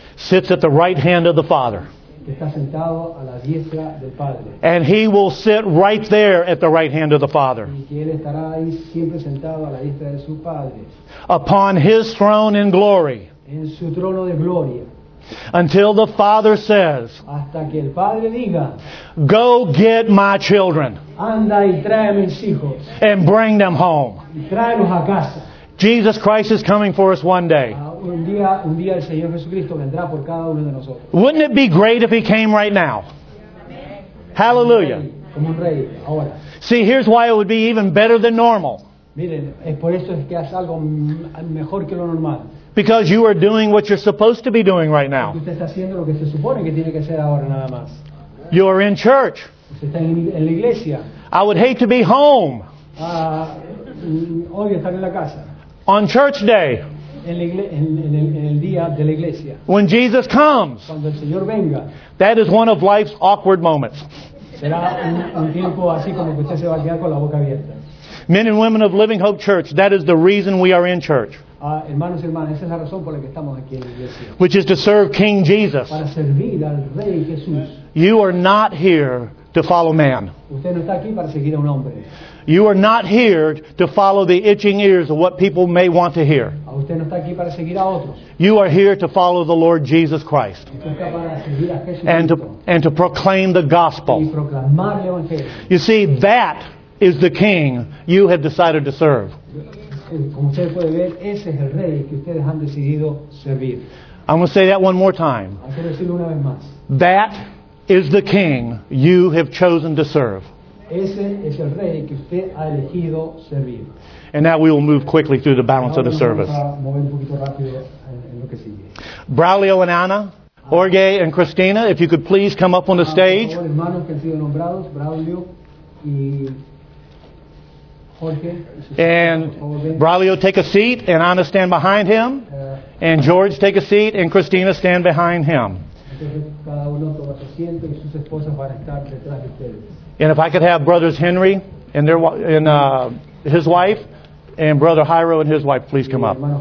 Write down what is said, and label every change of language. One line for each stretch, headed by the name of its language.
English: sits at the right hand of the Father.
Spanish: Está sentado a la diestra del Padre.
English: And he will sit right there at the right hand of the Father.
Spanish: Y que él estará ahí siempre sentado a la diestra de su Padre.
English: Upon his throne in glory.
Spanish: En su trono de gloria.
English: Until the Father says,
Spanish: hasta que el Padre diga,
English: go get my children.
Spanish: Anda y trae a mis hijos.
English: And bring them home.
Spanish: Y tráelos a casa.
English: Jesus Christ is coming for us one day.
Spanish: Un día el Señor Jesucristo vendrá por cada uno de nosotros.
English: Wouldn't it be great if he came right now? Hallelujah.
Spanish: Como un rey, ahora.
English: See, here's why it would be even better than normal.
Spanish: Miren, es por eso que hace algo mejor que lo normal.
English: Because you are doing what you're supposed to be doing right now.
Spanish: Usted está haciendo lo que se supone que tiene que hacer ahora nada más.
English: You are in church.
Spanish: Usted está en la iglesia.
English: I would hate to be home.
Spanish: Odio estar en la casa.
English: On church day.
Spanish: En el día de la iglesia.
English: When Jesus comes.
Spanish: Cuando el Señor venga.
English: That is one of life's awkward moments.
Spanish: Será un tiempo así como que usted se va a quedar con la boca abierta.
English: Men and women of Living Hope Church, that is the reason we are in church.
Spanish: Hermanos y hermanas, esa es la razón por la que estamos aquí en la iglesia.
English: Which is to serve King Jesus.
Spanish: Para servir al Rey Jesús.
English: You are not here to follow man.
Spanish: Usted no está aquí para seguir a un hombre.
English: You are not here to follow the itching ears of what people may want to hear.
Spanish: Usted no está aquí para seguir a otros.
English: You are here to follow the Lord Jesus Christ.
Spanish: Usted está para seguir a Jesús.
English: And to proclaim the gospel.
Spanish: Y proclamar el evangelio.
English: You see, that is the king you have decided to serve.
Spanish: Como usted puede ver, ese es el rey que ustedes han decidido servir.
English: I'm going to say that one more time.
Spanish: Una vez más.
English: That is the king you have chosen to serve.
Spanish: Ese es el rey que usted ha elegido servir.
English: And now we will move quickly through the balance
Spanish: ahora
English: of the service.
Spanish: Mover un poquito rápido en lo que sigue.
English: Braulio and Anna, Jorge and Cristina, if you could please come up on the stage.
Spanish: Por favor, hermanos que han sido nombrados, Braulio y Jorge,
English: and Braulio, take a seat, and Anna, stand behind him. And George, take a seat, and Cristina, stand behind him. And if I could have brothers Henry and their and his wife, and brother Jairo and his wife, please come up.